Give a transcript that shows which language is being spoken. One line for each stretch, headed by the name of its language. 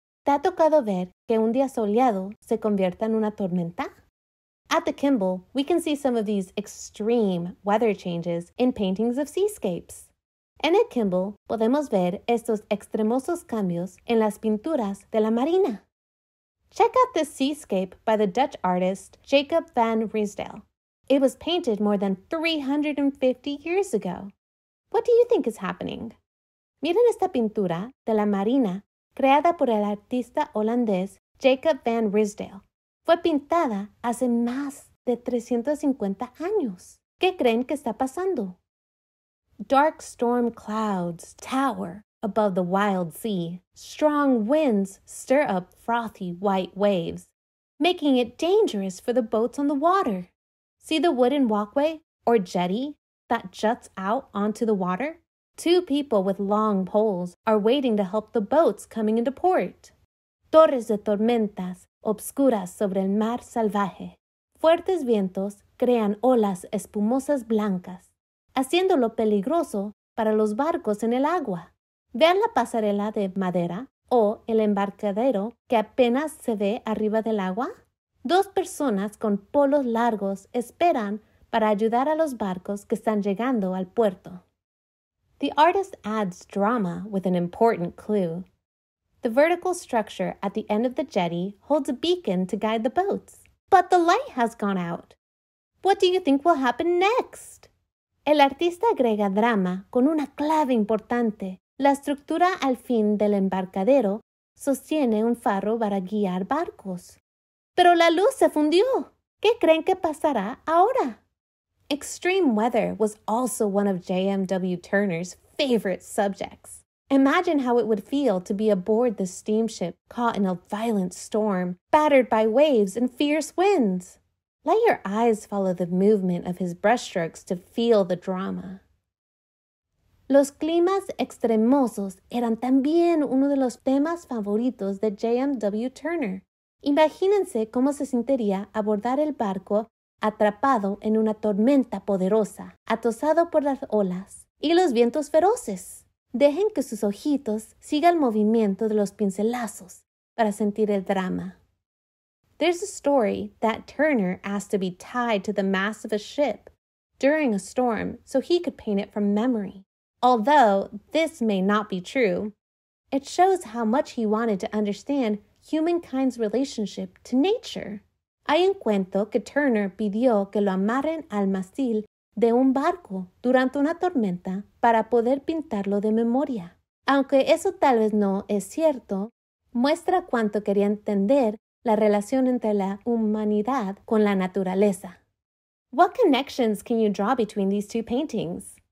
Spanish: ¿Te ha tocado ver que un día soleado se convierta en una tormenta?
English: At the Kimball, we can see some of these extreme weather changes in paintings of seascapes.
Spanish: En el Kimball, podemos ver estos extremosos cambios en las pinturas de la marina.
English: Check out this seascape by the Dutch artist Jacob van Riesdael. It was painted more than 350 years ago. What do you think is happening?
Spanish: Miren esta pintura de la marina creada por el artista holandés Jacob van Riesdael. Fue pintada hace más de 350 años. ¿Qué creen que está pasando?
English: Dark storm clouds tower above the wild sea. Strong winds stir up frothy white waves, making it dangerous for the boats on the water. See the wooden walkway or jetty that juts out onto the water? Two people with long poles are waiting to help the boats coming into port.
Spanish: Torres de tormentas obscuras sobre el mar salvaje. Fuertes vientos crean olas espumosas blancas, haciéndolo peligroso para los barcos en el agua. Vean la pasarela de madera o el embarcadero que apenas se ve arriba del agua. Dos personas con polos largos esperan para ayudar a los barcos que están llegando al puerto.
English: The artist adds drama with an important clue. The vertical structure at the end of the jetty holds a beacon to guide the boats. But the light has gone out. What do you think will happen next?
Spanish: El artista agrega drama con una clave importante. La estructura al fin del embarcadero sostiene un faro para guiar barcos. Pero la luz se fundió. ¿Qué creen que pasará ahora?
English: Extreme weather was also one of J.M.W. Turner's favorite subjects. Imagine how it would feel to be aboard the steamship caught in a violent storm, battered by waves and fierce winds. Let your eyes follow the movement of his brushstrokes to feel the drama.
Spanish: Los climas extremosos eran también uno de los temas favoritos de J.M.W. Turner. Imagínense cómo se sentiría abordar el barco atrapado en una tormenta poderosa, atosado por las olas y los vientos feroces. Dejen que sus ojitos sigan el movimiento de los pincelazos para sentir el drama.
English: There's a story that Turner asked to be tied to the mast of a ship during a storm so he could paint it from memory. Although this may not be true, it shows how much he wanted to understand humankind's relationship to nature.
Spanish: Hay un cuento que Turner pidió que lo amarren al mástil de un barco durante una tormenta para poder pintarlo de memoria. Aunque eso tal vez no es cierto, muestra cuánto quería entender la relación entre la humanidad con la naturaleza.
English: What connections can you draw between these two paintings?